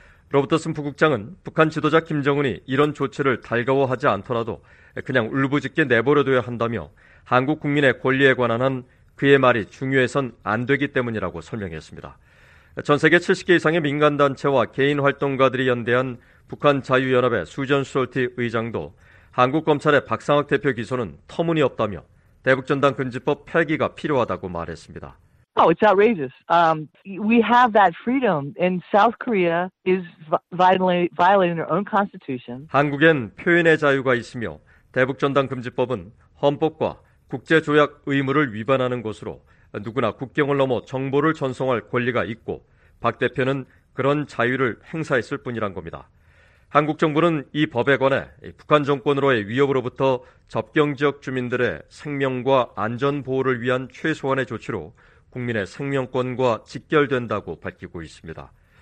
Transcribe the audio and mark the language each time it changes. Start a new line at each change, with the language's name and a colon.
Korean: 로버트슨 부국장은 북한 지도자 김정은이 이런 조치를 달가워하지 않더라도 그냥 울부짖게 내버려둬야 한다며 한국 국민의 권리에 관한 한 그의 말이 중요해선 안 되기 때문이라고 설명했습니다. 전 세계 70개 이상의 민간단체와 개인 활동가들이 연대한 북한 자유연합의 수전 솔티 의장도 한국 검찰의 박상학 대표 기소는 터무니없다며 대북전단 금지법 폐기가 필요하다고 말했습니다.
English: Oh, it's outrageous. We have that freedom, and South Korea is violating their own constitution.
Korean: 한국엔 표현의 자유가 있으며 대북전단 금지법은 헌법과 국제조약 의무를 위반하는 것으로 누구나 국경을 넘어 정보를 전송할 권리가 있고 박 대표는 그런 자유를 행사했을 뿐이란 겁니다. 한국 정부는 이 법에 관해 북한 정권으로의 위협으로부터 접경지역 주민들의 생명과 안전보호를 위한 최소한의 조치로 국민의 생명권과 직결된다고 밝히고 있습니다.